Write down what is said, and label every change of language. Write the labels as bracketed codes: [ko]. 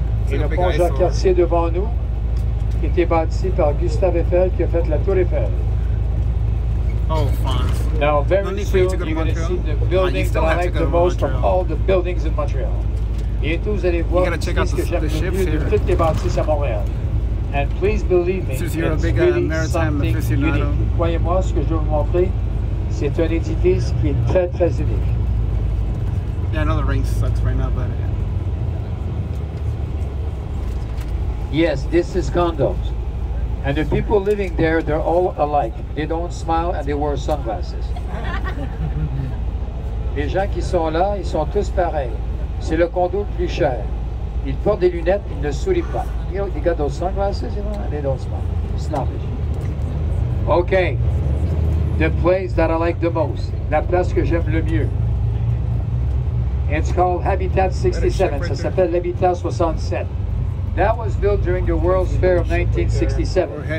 [fr] Et le Pont Jacques Cartier devant nous, qui était bâti par Gustave Eiffel, qui a fait la Tour Eiffel. Oh, [en] now, very soon, you're going to see the building that I like the most from all the buildings in Montreal. [fr] Bientôt, vous allez voir ce que j'aime le mieux de toutes les bâtisses à Montréal. [en] And please believe me, it's really something unique. [fr] Croyez-moi, ce que je vais vous montrer, c'est un édifice qui est très, très unique. [en] Yeah, I know the rain sucks right now, but... Yes, this is condos. And the people living there, they're all alike. They don't smile and they wear sunglasses. [fr] Les gens qui sont là, ils sont tous pareils. C'est le condo le plus cher. Ils portent des lunettes, ils ne sourient pas. [en] You know, they got those sunglasses, you know, and they don't smile. Snobbish. Okay. The place that I like the most. [fr] La place que j'aime le mieux. [en] It's called Habitat 67. [fr] Ça s'appelle l'Habitat 67. [en] That was built during the World's Fair of 1967.